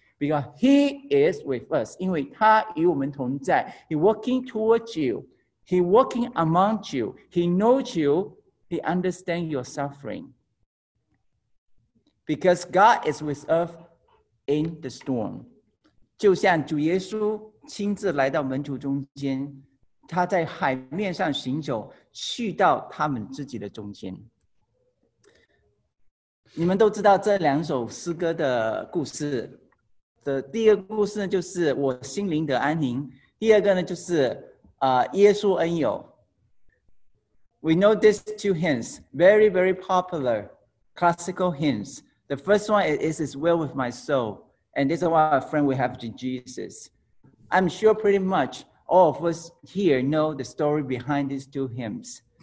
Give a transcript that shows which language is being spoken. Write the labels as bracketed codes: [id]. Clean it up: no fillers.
[en] Because he is with us. [zh] 因为他与我们同在, [en] he walking towards you. He walking among you. He knows you. He understands your suffering. Because God is with us in the storm. [zh] 就像主耶稣亲自来到门徒中间, 他在海面上行走, 去到他们自己的中间。你们都知道这两首诗歌的故事。第一个故事呢就是我心灵得安宁，第二个呢就是耶稣恩友。 [en] We know these two hymns, very, very popular classical hymns. The first one is It's Well With My Soul, and this is why a friend we have to Jesus. I'm sure pretty much all of us here know the story behind these two hymns.